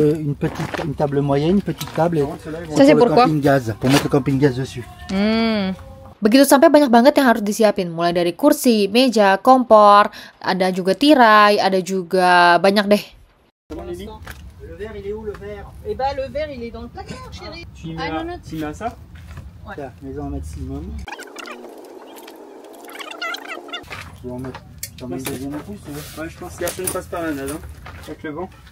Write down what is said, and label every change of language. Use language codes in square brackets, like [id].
[fr] Ouais, une petite une table moyenne, une petite table. Ça c'est pourquoi? Pour mettre le camping gaz, pour mettre le camping gaz dessus. [id] Begitu sampai banyak banget yang harus disiapin, mulai dari kursi, meja, kompor, ada juga tirai, ada juga banyak deh. [fr] Le verre, il est où le verre? Eh ben, le verre, il est dans le placard, chérie. Tu mets, non, non. Tu mets ça? Ouais. Tiens, mets-en maximum. Tu veux en mettre? T'en mets une deuxième en plus, ouais. Ouais, je pense que personne ne passe par la nade, hein. Avec le vent.